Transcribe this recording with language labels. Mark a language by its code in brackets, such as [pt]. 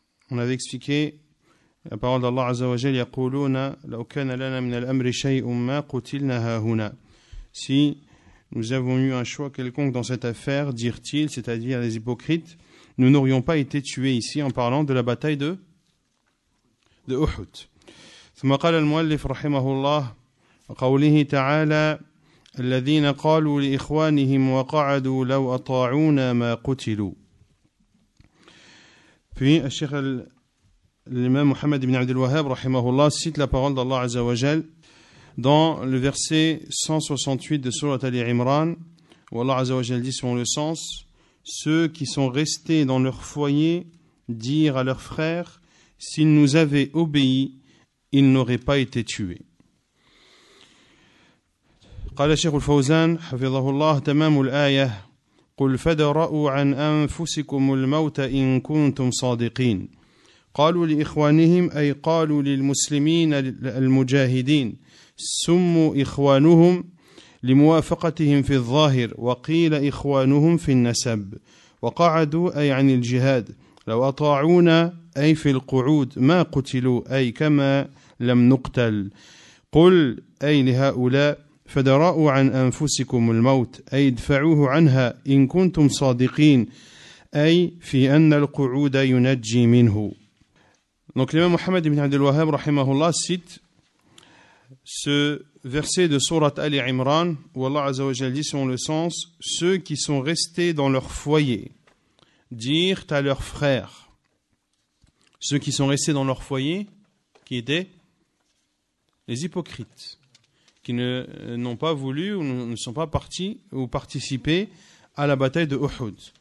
[fr] On avait expliqué la parole d'Allah Azza wa Jal « [ar] yaquluna law kana lana min al-amri shay'un ma qutilna hahuna [fr] » Si nous avons eu un choix quelconque dans cette affaire, dirent-ils, c'est-à-dire les hypocrites, nous n'aurions pas été tués ici, en parlant de la bataille de Uhud. [ar] ثم قال المؤلف رحمه الله قوله تعالى الذين قالوا لإخوانهم وقعدوا لو أطاعونا ما قتلوا. [fr] Puis الشيخ الإمام محمد بن عبد الوهاب [ar] رحمه الله [fr] cite la parole d'Allah عز وجل dans le verset 168 de sourate Ali Imran, où Allah عز وجل dit selon le sens, ceux qui sont restés dans leur foyer dirent à leurs frères, s'ils nous avaient obéi, ils n'auraient pas été tués. [ar] قال الشيخ الفوزان حفظه الله تمام الآية قل فدرأوا عن أنفسكم الموت إن كنتم صادقين قالوا لإخوانهم أي قالوا للمسلمين المجاهدين سموا إخوانهم لموافقتهم في الظاهر وقيل إخوانهم في النسب وقعدوا أي عن الجهاد لو أطاعونا أي في القعود ما قتلوا أي كما لم نقتل قل أي لهؤلاء فدرأوا عن أنفسكم الموت أي ادفعوه عنها إن كنتم صادقين أي في أن القعود ينجي منه. [fr] Donc l'imam Mohamed ibn Abd al-Wahhab rahimahullah cite ce verset de sourat Ali Imran où Allah Azza wa Jal dit selon le sens, ceux qui sont restés dans leur foyer dirent à leurs frères, ceux qui sont restés dans leur foyer, qui étaient les hypocrites, qui n'ont pas voulu ou ne sont pas partis ou participé à la bataille de Uhud.